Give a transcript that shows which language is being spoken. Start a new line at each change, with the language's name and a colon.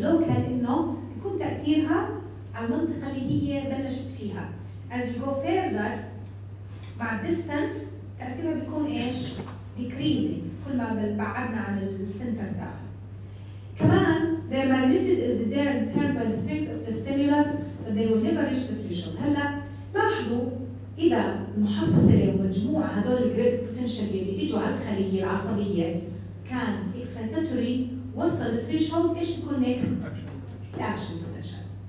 Arabic: لوكال انه يكون تاثيرها على المنطقه اللي هي بلشت فيها.
English: As you go further
Arabic: مع الديستانس تاثيرها بيكون ايش؟ decreasing، كل ما بعدنا عن السنتر تاعها.
English: كمان the magnitude is determined by the strength of the stimulus that they will never reach the threshold.
Arabic: هلا لاحظوا إذا المحصلة ومجموعة هدول الجريد بوتنشال اللي إجوا على الخلية العصبية كان excitatory وصل للثريشولد إيش يكون next؟ الأكشن بوتنشال.